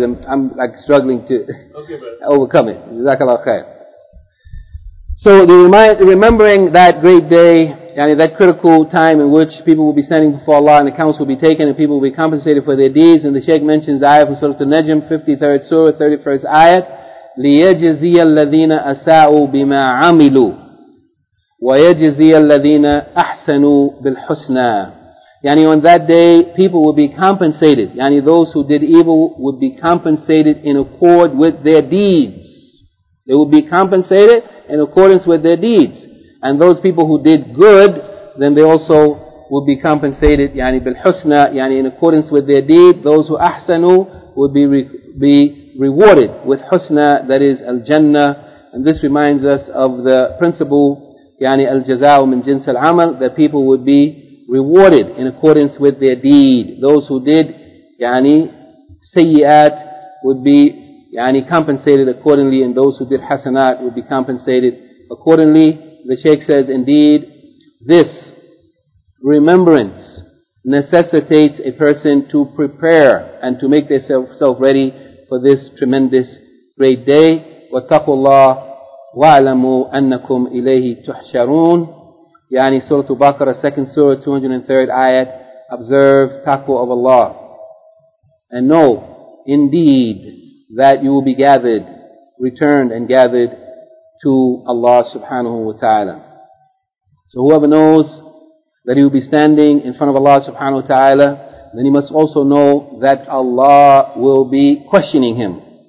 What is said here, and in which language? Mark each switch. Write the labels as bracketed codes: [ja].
[en] I'm like struggling to overcome it. Jazakallah khair. So remembering that great day, yani that critical time in which people will be standing before Allah and accounts will be taken and people will be compensated for their deeds. And the Shaykh mentions ayah from Surah An-Najm, 53rd Surah, 31st Ayat. [ar] لِيَجَزِيَ الَّذِينَ أَسَاءُوا بِمَا عَمِلُوا وَيَجَزِيَ الَّذِينَ أَحْسَنُوا بِالْحُسْنَى [en] Yani on that day, people will be compensated. Yani those who did evil would be compensated in accord with their deeds. They will be compensated in accordance with their deeds. And those people who did good, then they also will be compensated, yani bil husna, yani in accordance with their deed. Those who ahsanu will be rewarded with husna, that is al jannah. And this reminds us of the principle, yani [ar] al jazaa min jins al amal, [en] that people would be rewarded in accordance with their deed. Those who did, yani sayyiat, would be yani compensated accordingly, and those who did hasanat would be compensated accordingly. The Shaykh says, indeed, this remembrance necessitates a person to prepare and to make themselves ready for this tremendous great day. [ar] وَاتَّقُوا اللَّهُ وَاعْلَمُوا أَنَّكُمْ إِلَيْهِ تُحْشَرُونَ يعني سورة البقرة, [en] 2nd Surah, 203rd Ayat. Observe taqwa of Allah. And know, indeed, that you will be gathered, returned and gathered to Allah subhanahu wa ta'ala. So whoever knows that he will be standing in front of Allah subhanahu wa ta'ala, then he must also know that Allah will be questioning him.